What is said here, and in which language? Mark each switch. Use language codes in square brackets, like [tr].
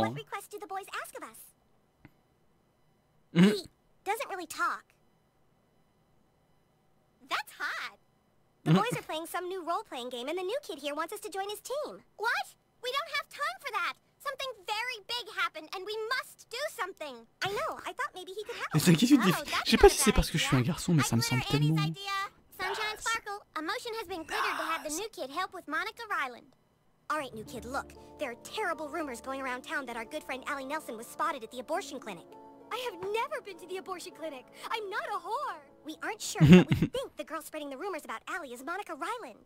[en] What request do the boys ask of us? He doesn't really talk. That's hot. The boys are playing some new role-playing game, and the new kid here wants us to join his team. What? We don't have time for that. Something very big happened, and we must do something. I know. I thought maybe he could help. [fr] Mais t'inquiète, je sais pas si c'est parce que je suis un garçon, mais ça me semble tellement. [en] Sunshine Sparkle, a motion has been triggered to have the new kid help with Monica Ryland. All right, new kid, look. There are terrible rumors going around town that our good friend Allie Nelson was spotted at the abortion clinic. I have never been to the abortion clinic. I'm not a whore. We aren't sure, but we think the girl spreading the rumors about Allie is Monica Ryland.